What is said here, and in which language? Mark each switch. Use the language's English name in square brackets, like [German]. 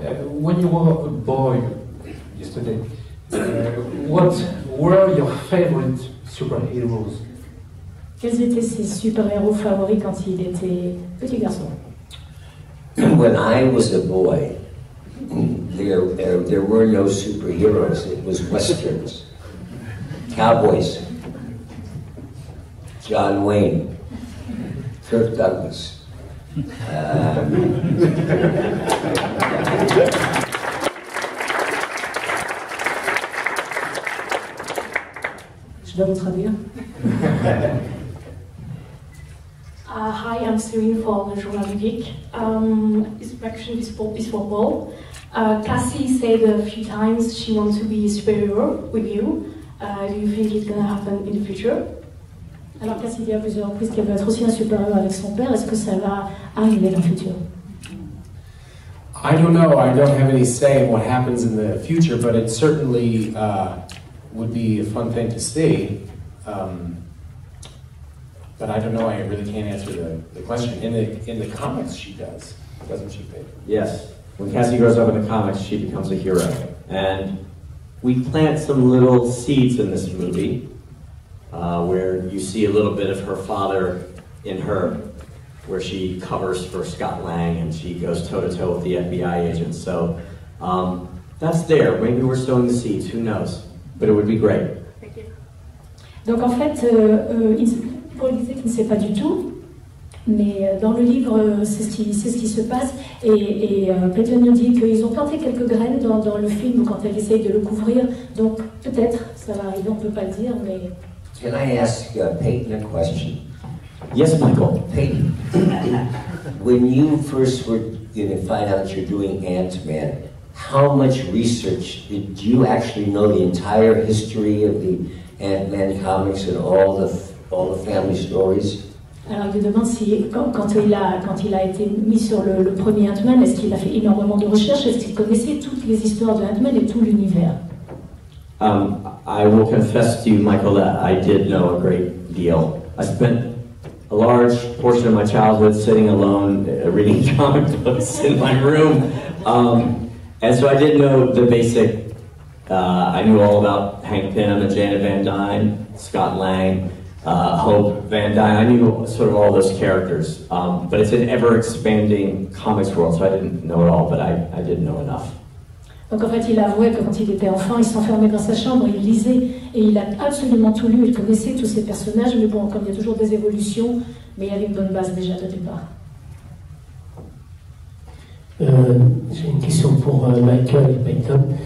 [English] When you were a boy yesterday, what were your favorite superheroes? [French] Quels étaient ses super-héros favoris quand il était petit garçon? [English] When I was a boy, there were no superheroes. It was westerns, cowboys, John Wayne, Kirk Douglas. [French] Je dois vous traduire. [English] Hi, I'm Céline for Le Journal du Geek. This question is for Paul. Cassie said a few times she wants to be a superhero with you. Do you think it's going to happen in the future? [French] Alors Cassie dit à plusieurs reprises qu'elle veut être aussi un super-héros avec son père. Est-ce que ça va arriver dans le futur? [English] I don't know. I don't have any say in what happens in the future, but it certainly would be a fun thing to see. But I don't know. I really can't answer the question. In the comics, she does, doesn't she, Peyton? Yes. When Cassie grows up in the comics, she becomes a hero. And we plant some little seeds in this movie. Where you see a little bit of her father in her, where she covers for Scott Lang and she goes toe-to-toe with the FBI agents. So that's there. Maybe we're sowing the seeds. Who knows? But it would be great. Thank you. [French] Donc en fait, Paul disait qu'il ne sait pas du tout, mais dans le livre, c'est ce qui se passe. Peyton nous dit qu'ils ont planté quelques graines dans le film quand elle essaye de le couvrir, donc peut-être ça va arriver, on peut pas le dire, mais... [English] Can I ask Peyton a question? Yes, Michael. Peyton, when you first were going to find out you're doing Ant-Man, how much research did you actually know the entire history of the Ant-Man comics and all the family stories? [French] Alors, il me demande si, quand il a été mis sur le premier Ant-Man, est-ce qu'il a fait énormément de recherches, est-ce qu'il connaissait toutes les histoires de Ant-Man et tout l'univers? [English] I will confess to you, Michael, that I did know a great deal. I spent a large portion of my childhood sitting alone, reading comic books in my room. And so I did know the basic, I knew all about Hank Pym and Janet Van Dyne, Scott Lang, Hope Van Dyne. I knew sort of all those characters. But it's an ever-expanding comics world, so I didn't know it all, but I didn't know enough. [French] Donc en fait, il avouait que quand il était enfant, il s'enfermait dans sa chambre, il lisait, et il a absolument tout lu, il connaissait tous ses personnages, mais bon, comme il y a toujours des évolutions, mais il y avait une bonne base déjà de départ. J'ai une question pour Michael et Peyton.